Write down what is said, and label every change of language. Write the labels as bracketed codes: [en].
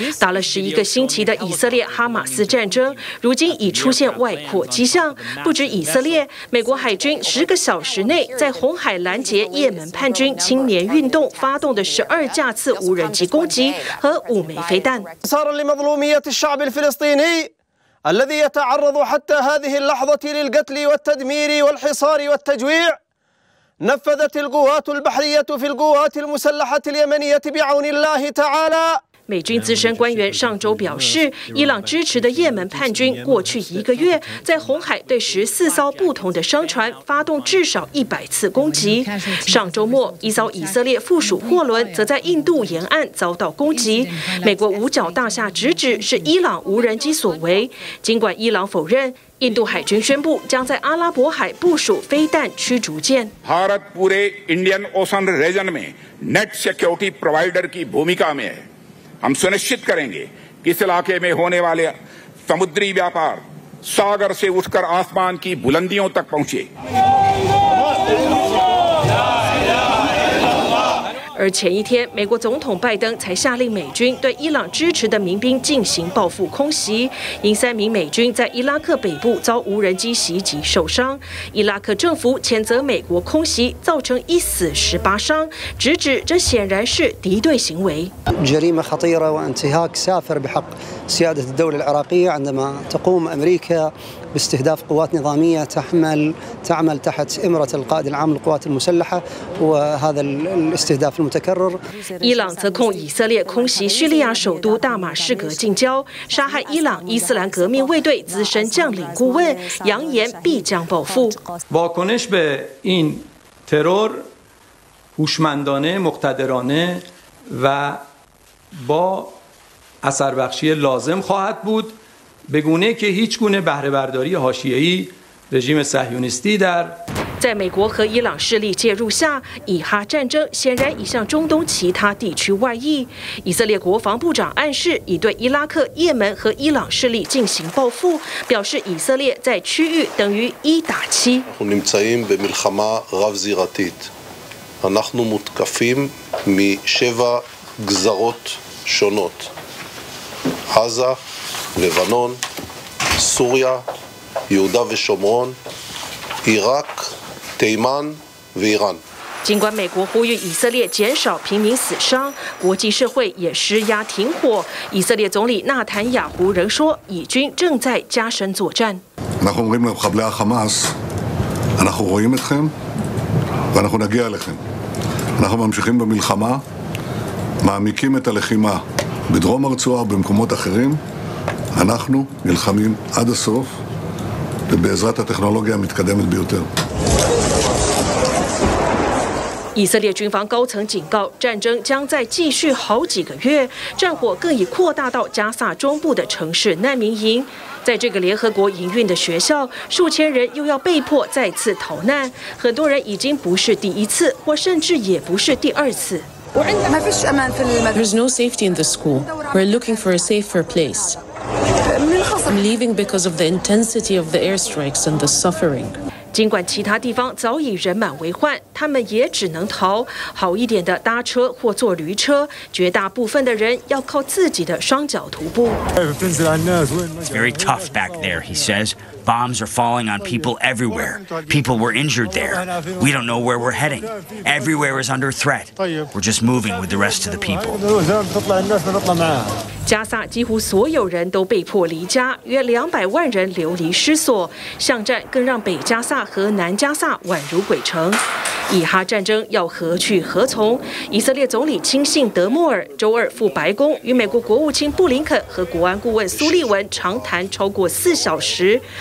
[zh] 打了11个星期的以色列哈马斯战争，如今已出现外扩迹象。不止以色列，美国海军10个小时内在红海拦截也门叛军青年运动发动的12架次无人机攻击和5枚飞弹。 [ar] الذي يتعرض حتى هذه اللحظة للقتل والتدمير والحصار والتجويع نفذت القوات البحرية في القوات المسلحة اليمنية بعون الله تعالى。 [zh] 美军资深官员上周表示，伊朗支持的也门叛军过去一个月在红海对14艘不同的商船发动至少100次攻击。上周末，一艘以色列附属货轮则在印度沿岸遭到攻击。美国五角大厦直指是伊朗无人机所为，尽管伊朗否认，印度海军宣布将在阿拉伯海部署飞弹驱逐舰。 [hi] भारत पूरे Indian ocean reason में net security provider की भूमिका में है。 हम सुनिश्चित करेंगे कि इस इलाके में होने वाले समुद्री व्यापार सागर से उठकर आसमान की बुलंदियों तक पहुंचे। [zh] 而前一天，美国总统拜登才下令美军对伊朗支持的民兵进行报复空袭，因3名美军在伊拉克北部遭无人机袭击受伤。伊拉克政府谴责美国空袭造成1死18伤，直指这显然是敌对行为。 [ar] جريمة خطيرة وانتهاك سافر بحق سيادة الدولة العراقية عندما تقوم أمريكا باستهداف قوات نظامية تعمل تحت إمرة القائد العام للقوات المسلحة وهذا الاستهداف المتكرر. [zh] 伊朗则控以色列空袭叙利亚首都大马士革近郊，杀害伊朗伊斯兰革命卫队资深将领顾问，扬言必将报复。 [fa] واکنش به این ترور هوشمندانه مقتدرانه و با اثر بخشی لازم خواهد بود. به گونه که هیچ گونه بهره برداری حاشیه‌ای رژیم صهیونیستی در [zh] 在美国和伊朗势力介入下，以哈战争显然已向中东其他地区外溢。以色列国防部长暗示已对伊拉克、也门和伊朗势力进行报复，表示以色列在区域等于一打七。我们在战争的多地区，我们被攻击自七个不同的地区：加沙、黎巴嫩、叙利亚、犹大和索马里。 [en] Iraq, Taiwan, Iran. [zh] 尽管美国呼吁以色列减少平民死伤，国际社会也施压停火。以色列总理纳坦雅胡仍说，以军正在加深作战。 [he] אנחנו אומרים למחבלי החמאס, אנחנו רואים אתכם, ואנחנו נגיע אליכם. אנחנו ממשיכים במלחמה, מעמיקים את הלחימה בדרום הרצועה ובמקומות אחרים. אנחנו נלחמים עד הסוף. ובעזרת הטכנולוגיה המתקדמת ביותר. [zh] 以色列军方高层警告，战争将再继续好几个月，战火更已扩大到加萨中部的城市难民营。在这个联合国营运的学校，数千人又要被迫再次逃难，很多人已经不是第一次，或甚至也不是第二次。 [en] There's no safety in the school. We're looking for a safer place. I'm leaving because of the intensity of the airstrikes and the suffering. [zh] 尽管其他地方早已人满为患，他们也只能逃。好一点的搭车或坐驴车，绝大部分的人要靠自己的双脚徒步。 [en] It's very tough back there, he says. Bombs are falling on people everywhere. People were injured there. We don't know where we're heading. Everywhere is under threat. We're just moving with the rest of the people. [zh] 加萨几乎所有人都被迫离家，约200万人流离失所。巷战更让北加萨和南加萨宛如鬼城。以哈战争要何去何从？以色列总理亲信德莫尔周二赴白宫，与美国国务卿布林肯和国安顾问苏利文长谈超过4小时。